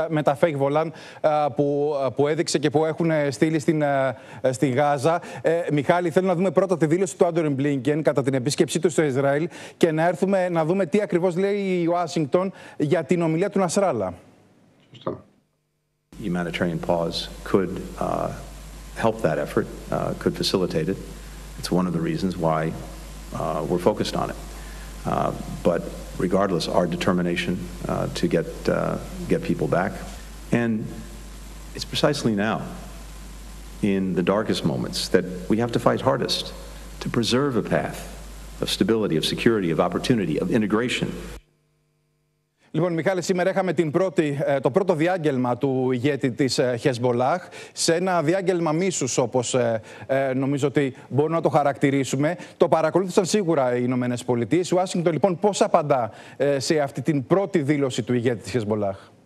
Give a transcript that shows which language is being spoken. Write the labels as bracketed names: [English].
[Greek] Με τα fake volan που έδειξε και που έχουν στείλει στη Γάζα. Μιχάλη, θέλω να δούμε πρώτα τη δήλωση του Άντωνι Μπλίνκεν κατά την επίσκεψή του στο Ισραήλ και να έρθουμε να δούμε τι ακριβώς λέει η Ουάσιγκτον για την ομιλία του Νασράλα. Σωστά. [English] Η humanitarian pause could help that effort, could facilitate it. It's one of the reasons why we're focused on it. But regardless, our determination to get people back. And it's precisely now, in the darkest moments, that we have to fight hardest to preserve a path of stability, of security, of opportunity, of integration. [Greek] Λοιπόν, Μιχάλη, σήμερα είχαμε το πρώτο διάγγελμα του ηγέτη της Χεζμπολάχ σε ένα διάγγελμα μίσους, όπως νομίζω ότι μπορούμε να το χαρακτηρίσουμε. Το παρακολούθησαν σίγουρα οι Ηνωμένες Πολιτείες. Η Ουάσιγκτον, λοιπόν, πώς απαντά σε αυτή την πρώτη δήλωση του ηγέτη της Χεζμπολάχ?